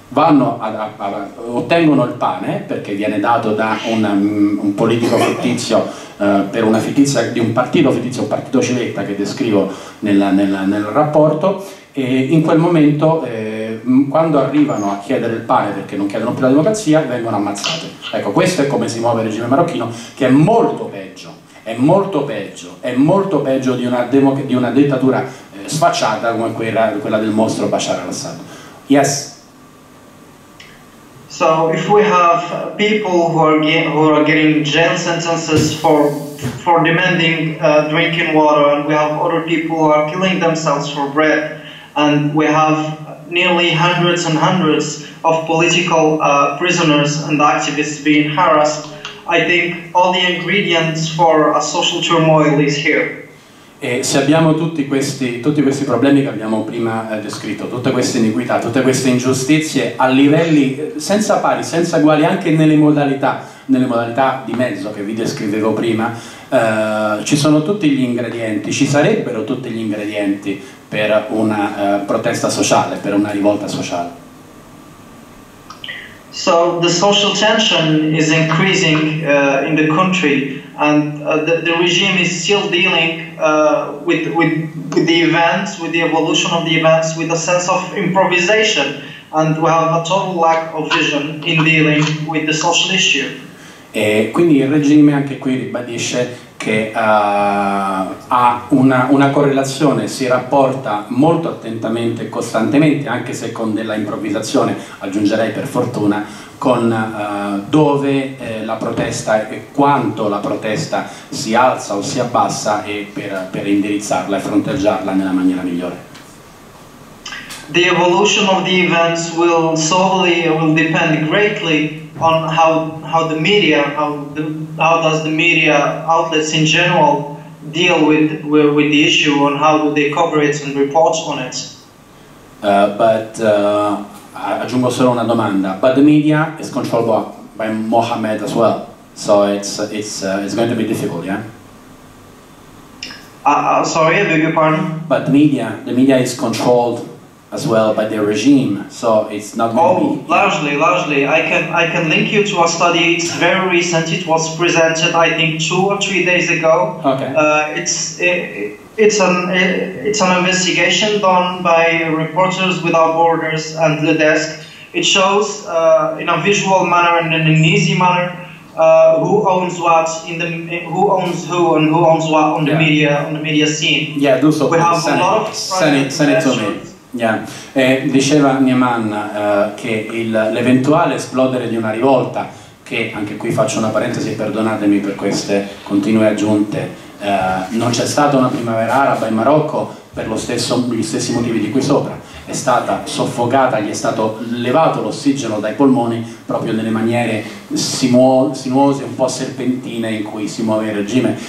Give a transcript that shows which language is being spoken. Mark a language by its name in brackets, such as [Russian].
[Italian] Vanno ottengono il pane perché viene dato da un politico fittizio per una fittizia di un partito fittizio, un partito civetta che descrivo nel rapporto, e in quel momento quando arrivano a chiedere il pane perché non chiedono più la democrazia vengono ammazzate. Ecco, questo è come si muove il regime marocchino, che è molto peggio, è molto peggio, è molto peggio di una dittatura sfacciata come quella del mostro Bashar al-Assad. [English] Yes. So if we have people who are getting jail sentences for demanding drinking water, and we have other people who are killing themselves for bread, and we have nearly hundreds and hundreds of political prisoners and activists being harassed, I think all the ingredients for a social turmoil is here. [Italian] E se abbiamo tutti questi problemi che abbiamo prima descritto, tutte queste iniquità, tutte queste ingiustizie a livelli senza pari, senza uguali, anche nelle modalità di mezzo che vi descrivevo prima, ci sono tutti gli ingredienti, ci sarebbero tutti gli ingredienti per una protesta sociale, per una rivolta sociale. [English] So the social tension is increasing in the country, and the regime is still dealing with the events, with the evolution of the events, with a sense of improvisation, and we have a total lack of vision in dealing with the social issue. [Italian] E quindi il regime anche qui ribadisce che ha una correlazione, si rapporta molto attentamente e costantemente, anche se con della improvvisazione, aggiungerei per fortuna, con dove la protesta e quanto la protesta si alza o si abbassa e per indirizzarla e fronteggiarla nella maniera migliore. [English] The evolution of the events will solely will depend greatly on how the media how does the media outlets in general deal with the issue and how do they cover it and report on it. [Italian] Aggiungo solo una domanda. [English] But the media is controlled by Mohammed as well, so it's going to be difficult, yeah. Sorry, I beg your pardon. But the media is controlled as well by the regime, so it's not going to be. Largely. I can link you to a study. It's very recent. It was presented, I think, 2 or 3 days ago. Okay. It's an investigation done by Reporters Without Borders and the desk. It shows in a visual manner and in an easy manner who owns what in the who owns who and who owns what on the media on the media scene. Yeah, do so. We have send a lot of send it to me. Yeah. [Italian] Diceva Niemann che l'eventuale esplodere di una rivolta, che anche qui faccio una parentesi, perdonatemi per queste continue aggiunte. Non c'è stata una primavera araba in Marocco per gli stessi motivi di qui sopra, è stata soffocata, gli è stato levato l'ossigeno dai polmoni proprio nelle maniere sinuose, un po' serpentine in cui si muove il regime.